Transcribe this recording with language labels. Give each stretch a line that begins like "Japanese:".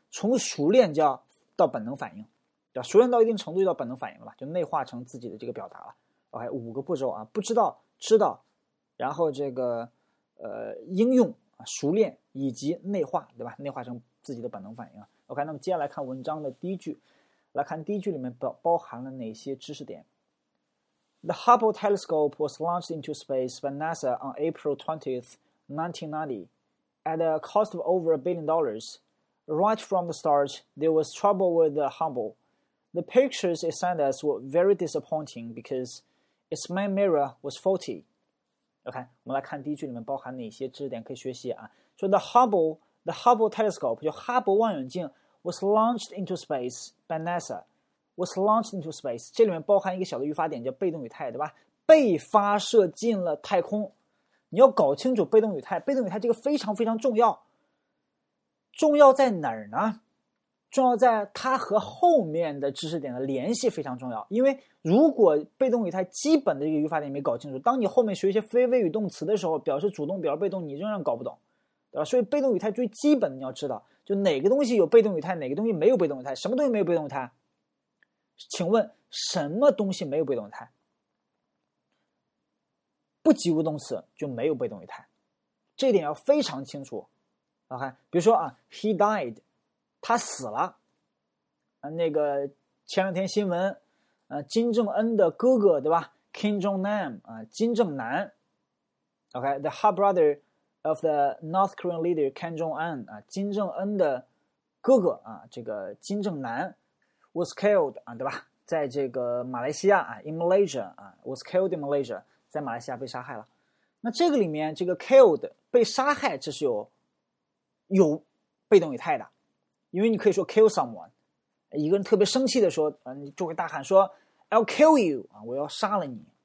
Chinese: 从熟练叫到本能反应，对吧，熟练到一定程度就到本能反应了，就内化成自己的这个表达了。 OK， 五个步骤啊，不知道、知道，然后这个应用、熟练以及内化，对吧，内化成自己的本能反应。 OK， 那么接下来看文章的第一句，来看第一句里面包含了哪些知识点。
English: The Hubble telescope was launched into space by NASA on April 20th, 1990 at a cost of over $1 billion. Right from the start, there was trouble with the Hubble. The pictures it sent us were very disappointing because its main mirror was faulty.
Chinese: OK, 我们来看第一句里面包含哪些知识点可以学习啊。
English: So the Hubble telescope,
Chinese: 就哈勃望远镜
English: was launched into space by NASA. Was launched into space.
Chinese: 这里面包含一个小的语法点叫被动语态，对吧？被发射进了太空。你要搞清楚被动语态，被动语态这个非常非常重要。重要在哪儿呢？重要在它和后面的知识点的联系非常重要。因为如果被动语态基本的这个语法点没搞清楚，当你后面学一些非谓语动词的时候，表示主动表示被动，你仍然搞不懂，对吧？所以被动语态最基本的你要知道，就哪个东西有被动语态，哪个东西没有被动语态。什么东西没有被动语态？请问什么东西没有被动语态？不及物动词就没有被动语态，这一点要非常清楚。 OK， 比如说啊 ，
English: he died，
Chinese: 他死了。那个前两天新闻，金正恩的哥哥对吧 ？Kim Jong-nam 啊，金正男。
English: OK，the half brother of the North Korean leader Kim Jong-un 啊，
Chinese: 金正恩的哥哥啊，
English: 这个金正男 was killed 啊，对吧？
Chinese: 在这个马来西亚啊 ，in Malaysia 啊 ，
English: was killed in Malaysia，
Chinese: 在马来西亚被杀害了。那这个里面，这个 killed 被杀害，这是有被动语态的，因为你可以说
English: kill someone，
Chinese: 一个人特别生气的时候，你就会大喊说
English: I'll kill you，
Chinese: 我要杀了你。